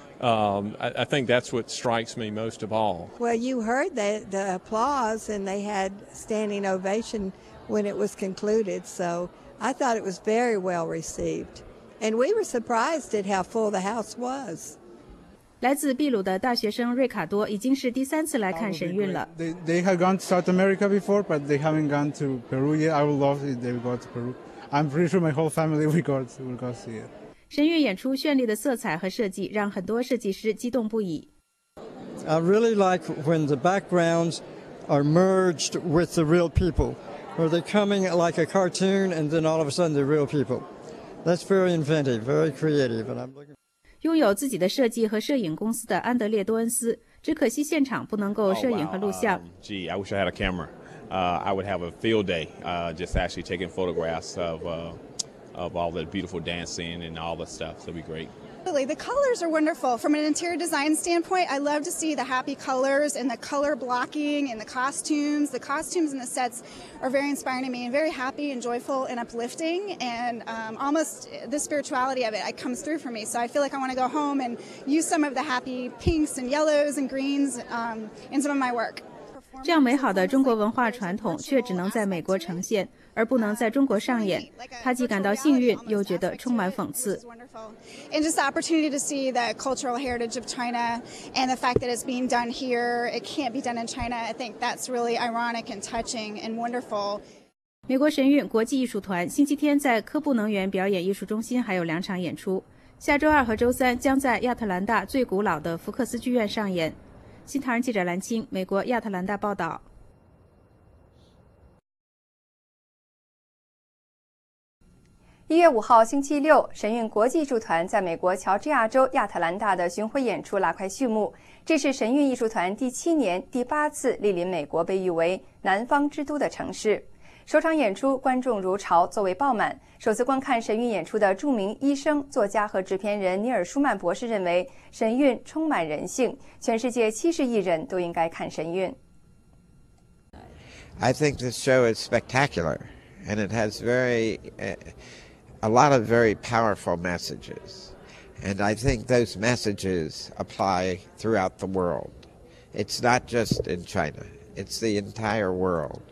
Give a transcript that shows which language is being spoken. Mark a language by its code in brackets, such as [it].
[en] I think that's what strikes me most of all. Well, you heard the applause, and they had standing ovation. When it was concluded, so I thought it was very well received. And we were surprised at how full the house was. [zh] 来自秘鲁的大学生瑞卡多已经是第三次来看神韵了。 [en] They have gone to South America before, but they haven't gone to Peru yet. I would love if they go to Peru. I'm pretty sure my whole family will go see it. [zh] 神韵演出绚丽的色彩和设计让很多设计师激动不已。 [en] I really like when the backgrounds are merged with the real people. Or they're coming like a cartoon, and then all of a sudden they're real people. That's very inventive, very creative. And I'm looking. [zh] 拥有自己的设计和摄影公司的安德烈多恩斯，只可惜现场不能够摄影和录像。 [en] Gee, I wish I had a camera. I would have a field day, just actually taking photographs of all the beautiful dancing and all the stuff. That'd be great. The colors are wonderful. From an interior design standpoint, I love to see the happy colors and the color blocking and the costumes. The costumes and the sets are very inspiring to me and very happy and joyful and uplifting. And almost the spirituality of it comes through for me. So I feel like I want to go home and use some of the happy pinks and yellows and greens in some of my work. [zh] 这样美好的中国文化传统却只能在美国呈现。而不能在中国上演，他既感到幸运，又觉得充满讽刺。 [en] And just the opportunity to see the cultural heritage of China and the fact that it's being done here, it can't be done in China. I think that's really ironic and touching and wonderful. [zh] 美国神韵国际艺术团星期天在科布能源表演艺术中心还有两场演出，下周二和周三将在亚特兰大最古老的福克斯剧院上演。新唐人记者蓝青，美国亚特兰大报道。 1月5号星期六，神韵国际艺术团在美国乔治亚州亚特兰大的巡回演出拉开序幕。这是神韵艺术团第七年第八次莅临美国被誉为南方之都的城市。首场演出观众如潮，座位爆满。首次观看神韵演出的著名医生、作家和制片人尼尔·舒曼博士认为，神韵充满人性，全世界70亿人都应该看神韵。 [en] I think this show is spectacular, and it has a lot of very powerful messages, and I think those messages apply throughout the world. It's not just in China, it's the entire world.